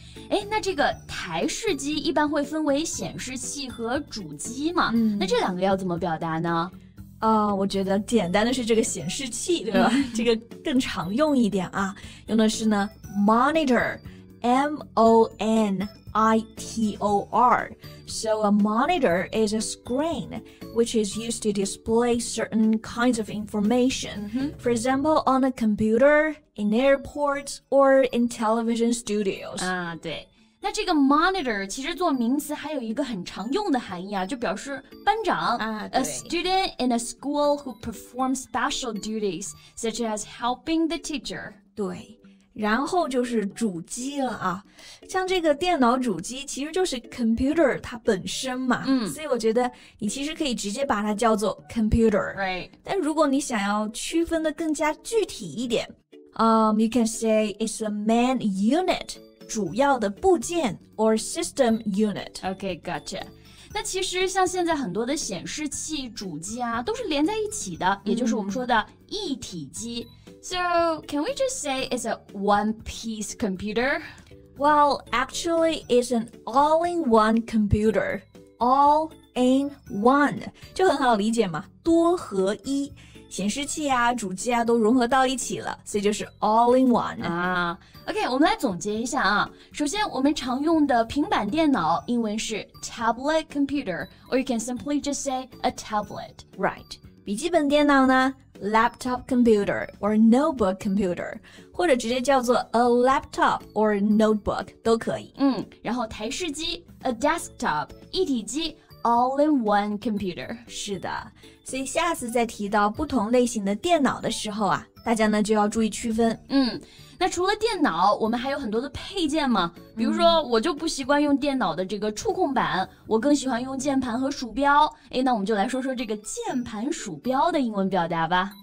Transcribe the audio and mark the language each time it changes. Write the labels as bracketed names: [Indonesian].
[Chinese] 哎，那这个台式机一般会分为显示器和主机嘛？那这两个要怎么表达呢？我觉得简单的是这个显示器，对吧？这个更常用一点啊，用的是呢 monitor, M-O-N. [English] I-T-O-R. So a monitor is a screen which is used to display certain kinds of information. For example, on a computer, in airports, or in television studios. [Chinese] 对。那这个 monitor 其实做名词还有一个很常用的含义啊，就表示班长。 [English] A student in a school who performs special duties, such as helping the teacher. [Chinese] 对。然后就是主机了啊，像这个电脑主机其实就是 computer 它本身嘛，嗯，所以我觉得你其实可以直接把它叫做 computer， [English] right？ [Chinese] 但如果你想要区分的更加具体一点， [English] you can say it's a main unit， [Chinese] 主要的部件 [English] or system unit。 Okay， gotcha。 [Chinese] 那其实像现在很多的显示器、主机啊，都是连在一起的，也就是我们说的一体机。 [English] So, can we just say it's a one-piece computer? Well, actually, it's an all-in-one computer. All-in-one. [Chinese] 就很好理解嘛，多合一。显示器啊，主机啊，都融合到一起了，所以就是 all-in-one. 啊 OK, 我们来总结一下啊。首先，我们常用的平板电脑，英文是 [English] tablet computer, or you can simply just say a tablet. Right. [Chinese] 笔记本电脑呢？ [English] Laptop computer or notebook computer， [Chinese] 或者直接叫做 [English] a laptop or notebook [Chinese] 都可以。嗯，然后台式机 a desktop， 一体机 all in one computer。是的，所以下次再提到不同类型的电脑的时候啊，大家呢就要注意区分。嗯，那除了电脑，我们还有很多的配件嘛，比如说我就不习惯用电脑的这个触控板，我更喜欢用键盘和鼠标。哎，那我们就来说说这个键盘鼠标的英文表达吧。